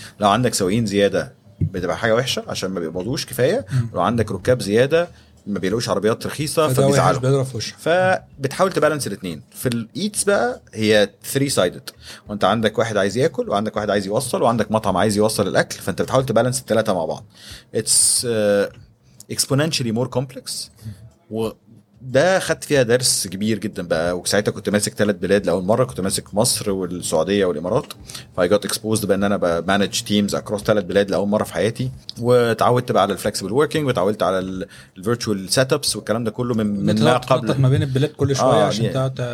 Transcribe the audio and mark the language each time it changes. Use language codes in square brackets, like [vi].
[ar] لو عندك سواقين زياده بتبقى حاجه وحشه عشان ما بيقبضوش كفايه. لو عندك ركاب زياده ما بيلاقوش عربيات رخيصة فبيزعلوا. فبتحاول تبالانس الاثنين. في الايتس بقى هي [en] Three sided. [ar] وانت عندك واحد عايز ياكل وعندك واحد عايز يوصل وعندك مطعم عايز يوصل الاكل. فانت بتحاول تبالانس الثلاثة مع بعض. [en] It's exponentially more complex. [ar] وده خدت فيها درس كبير جدا بقى. وساعتها كنت ماسك ثلاث بلاد لأول مرة. كنت ماسك مصر والسعودية والامارات. [en] فاي got exposed [ar] بان انا [en] بمانج teams across [ar] ثلاث بلاد لاول مره في حياتي. وتعودت بقى على الفلكسبل وركينج وتعودت على الفيرتشوال سيت ابس والكلام ده كله من ما قبل ما بين البلاد كل شويه عشان يعني.